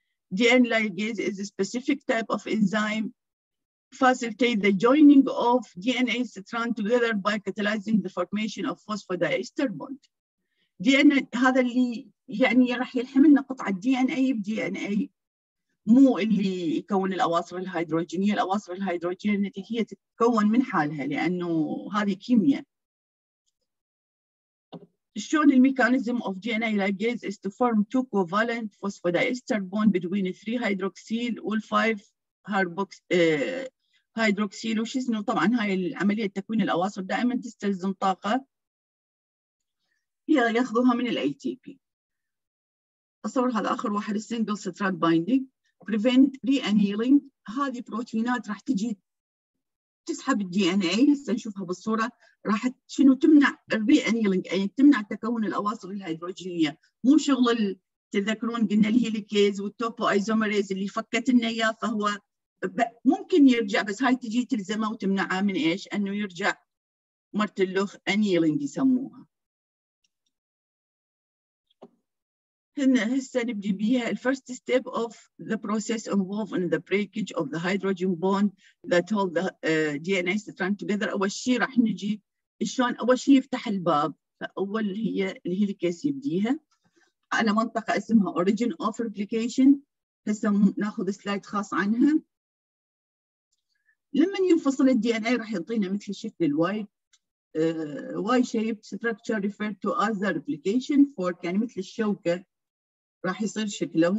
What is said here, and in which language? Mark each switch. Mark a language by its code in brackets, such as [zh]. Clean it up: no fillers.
[en] D N ligase is specific type of enzyme facilitate the joining of D N A strand together by catalysing the formation of phosphodiester bond. [ar] دي ان هذا اللي يعني راح يلحم لنا قطعه دي ان اي بدي ان اي، مو اللي يكون الأواصر الهيدروجينية. الأواصر الهيدروجينية هي تتكون من حالها لأنه هذه كيمياء. شلون الميكانيزم [en] of DNA ligase is to form two covalent phosphodiester bond between three hydroxyl and five hydroxyl. [ar] وش اسمه؟ طبعا هاي العملية تكوين الأواصر دائما تستلزم طاقة، هي ياخذوها من الـ ATP. أصور هذا آخر واحد [en] single strand binding prevent re-annealing. [ar] هذه بروتينات راح تجي تسحب الدي ان اي، هسه نشوفها بالصوره، راح شنو تمنع re-annealing، اي تمنع تكون الاواصر الهيدروجينيه. مو شغل تذكرون قلنا الهيليكيز والتوبو ايزوميريز اللي فكت لنا اياه، فهو ممكن يرجع، بس هاي تجي تلزمه وتمنعها من ايش؟ انه يرجع مرت اللوخ annealing يسموها. هنا هسه نبدي بيها الـ [en] first step of the process involved in the breakage of the hydrogen bond that hold the DNA strand together. [ar] أول شيء راح نجي شلون أول شيء يفتح الباب، فأول هي الهيليكيز يبديها على منطقة اسمها origin of replication. هسه ناخذ سلايد خاص عنها. لما ينفصل الـ DNA راح يعطينا مثل شكل الـ [en] Y-shaped structure referred to as the replication fork، [ar] يعني مثل الشوكة راح يصير شكله.